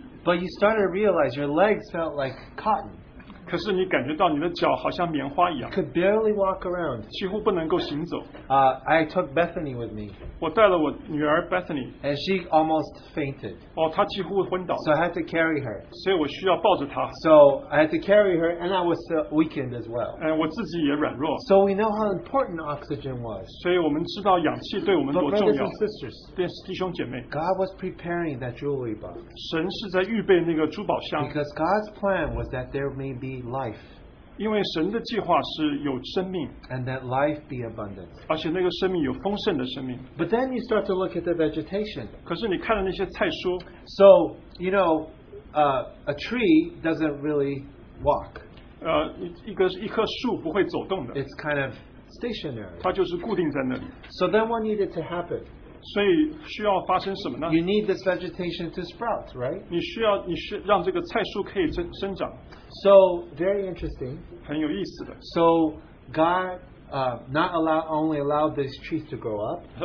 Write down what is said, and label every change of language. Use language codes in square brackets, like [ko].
[en] but you started to realize your legs felt like cotton. [zh] 可是你感觉到你的脚好像棉花一样, [en] could barely walk around. [zh] 几乎不能够行走, [en] I took Bethany with me. [zh] 我带了我女儿 Bethany, [en] and she almost fainted. [zh] 她几乎昏倒, [en] so I had to carry her. [zh] 所以我需要抱着她, [en] so I had to carry her, and I was weakened as well. [zh] 我自己也软弱, [en] so we know how important oxygen was. [zh] 所以我们知道氧气对我们多重要, [en] but brothers and sisters, [zh] 弟兄姐妹, [en] God was preparing that jewelry box. [zh] 神是在预备那个珠宝箱, [en] because God's plan was that there may be life. [zh] 因为神的计划是有生命, [en] and that life be abundant. [zh] 而且那个生命有丰盛的生命. [en] But then you start to look at the vegetation. [zh] 可是你看了那些菜蔬, [en] so, you know, a tree doesn't really walk. [zh] 一棵树不会走动的. [en] It's kind of stationary. [zh] 它就是固定在那里. [en] So then what needed to happen? [zh] 所以需要发生什么呢? [en] You need this vegetation to sprout, right? [zh] 你需要让这个菜蔬可以生长。 [en] So, very interesting. [zh] 很有意思的。 [en] So, God not only allowed these trees to grow up,